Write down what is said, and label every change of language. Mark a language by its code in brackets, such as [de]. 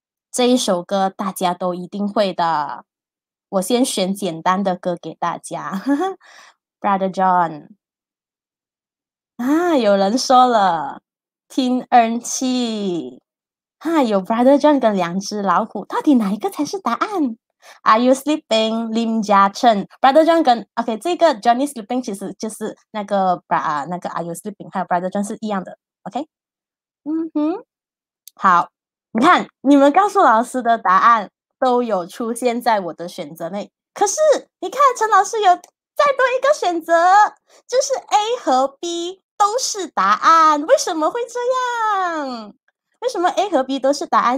[zh] 这一首歌大家都一定会的，我先选简单的歌给大家。 Brother John 啊，有人说了听恩气啊，有 Brother John 跟两只老虎，到底哪一个才是答案？ [en] Are you sleeping? [zh] Lim Jia Chen Brother John 跟 OK, 这个 Johnny sleeping 其实就是那个、那个 Are you sleeping 还有 Brother John 是一样的。 OK, 嗯哼，好，你看你们告诉老师的答案都有出现在我的选择内，可是你看陈老师有再多一个选择，就是 A 和 B 都是答案。为什么会这样？为什么 A 和 B 都是答案？